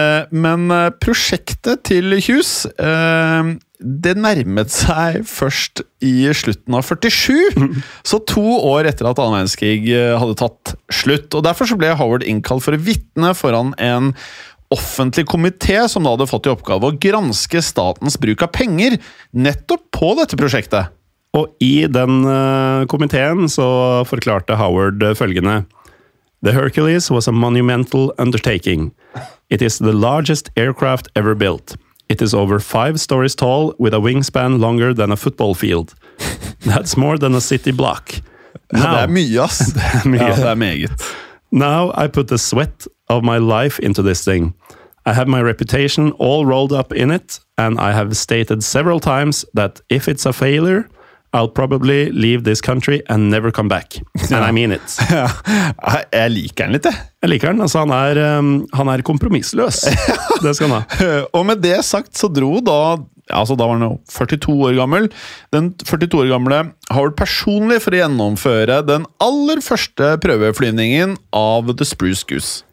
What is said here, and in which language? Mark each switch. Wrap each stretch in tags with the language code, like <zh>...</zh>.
<no>Men prosjektet til Hughes, det nærmet seg først i slutten av 47, så 2 år etter at 2. verdenskrig hadde tatt slutt. Og derfor så ble Howard innkalt for å vitne foran en offentlig komité som da hadde fått i oppgave å granske statens bruk av penger nettopp på dette prosjektet. Og i den komiteen så forklarte Howard følgende.</no> <en>«The Hercules was a monumental undertaking. It is the largest aircraft ever built. It is over 5 stories tall, with a wingspan longer than a football field. That's more than a city block.</en> <no>Now, ja, det er mye, ass. Ja, det er meget.</no> <en>Now I put the sweat of my life into this thing. I have my reputation all rolled up in it, and I have stated several times that if it's a failure, I'll probably leave this country and never come back. And I mean it.</en> <no>Ja, jeg liker den litt, jeg. Jeg liker den, altså han er kompromissløs. Det skal han ha. Og med det sagt så dro da, altså da var han jo 42 år gammel, den 42 år gamle Howard personlig for å gjennomføre den aller første prøveflyvningen av The Spruce Goose.</no>